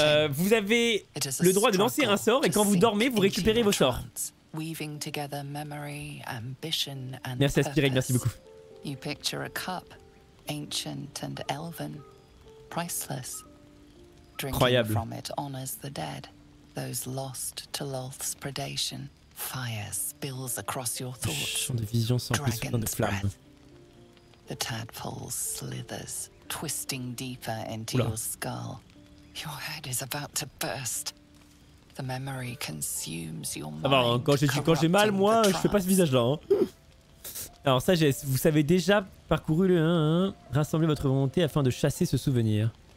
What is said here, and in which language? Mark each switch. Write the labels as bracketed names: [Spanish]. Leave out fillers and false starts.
[French] Vous avez le droit de lancer un sort et quand vous dormez, vous récupérez vos sorts. Merci Aspirec, merci beaucoup. [English] You picture a cup, ancient and elven, priceless. Drinking from it honors the dead, those lost to Loth's predation. Fire spills across your thoughts. [French] Chant de vision sans plus souffle de flamme. [English] The tadpole slithers, twisting deeper into your skull. Your head is about to burst. The memory consumes your mind. [French] Ah ben, quand j'ai mal, moi, je fais pas ce visage-là. Hein. Alors ça, vous savez déjà parcouru le 1-1. Rassemblez votre volonté afin de chasser ce souvenir.